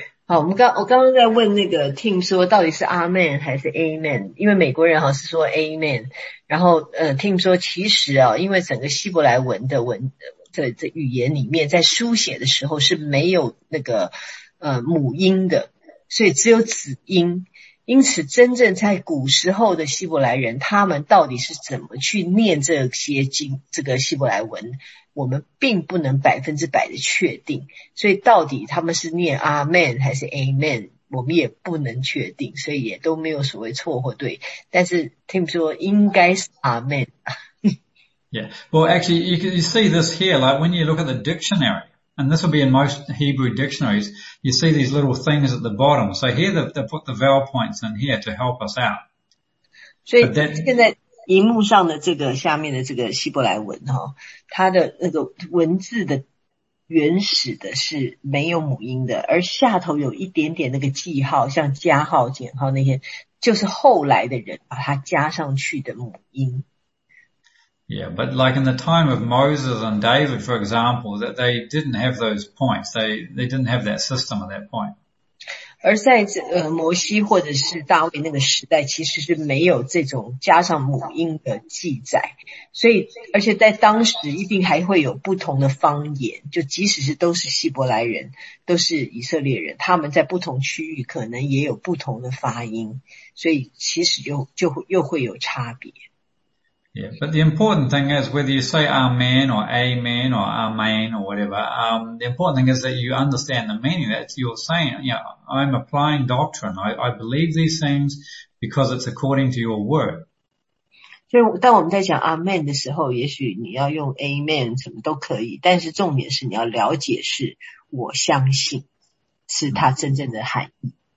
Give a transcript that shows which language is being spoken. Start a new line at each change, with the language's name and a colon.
Chinese: 好，我刚刚在问那个 Tim 说到底是 Amen 还是 Amen， 因为美国人好像是说 Amen， 然后Tim 说其实啊，因为整个希伯来文的文这语言里面，在书写的时候是没有那个母音的，所以只有子音，因此真正在古时候的希伯来人，他们到底是怎么去念这些经这个希伯来文？我们并不能百分之百的确定，所以到底他们是念 Amen 还是 Amen， 我们也不能确定，所以也都没有所谓错或对。但是 Tim 说应该是 Amen。
English: Yeah, well, actually, you see this here, like when you look at the dictionary, and this will be in most Hebrew dictionaries, you see these little things at the bottom. So here they put the vowel points in here to help us out.
Chinese: 所以现在荧幕上的这个下面的这个希伯来文，它的那个文字的原始的是没有母音的，而下头有一点点那个记号，像加号减号那些，就是后来的人把它加上去的母音。
English: Yeah, but like in the time of Moses and David, for example, that they didn't have those points. They didn't have that system at that point.
Chinese: 而在摩西或者是大卫那个时代，其实是没有这种加上母音的记载。所以，而且在当时一定还会有不同的方言，就即使是都是希伯来人，都是以色列人，他们在不同区域可能也有不同的发音，所以其实又会有差别。
English: Yeah, but the important thing is whether you say amen or amen or amen or whatever, the important thing is that you understand the meaning that you're saying. You know, I'm applying doctrine. I believe these things because it's according to your word.
Chinese: 所以当我们在讲 amen 的时候，也许你要用 amen 什么都可以，但是重点是你要了解是我相信是它真正的含义。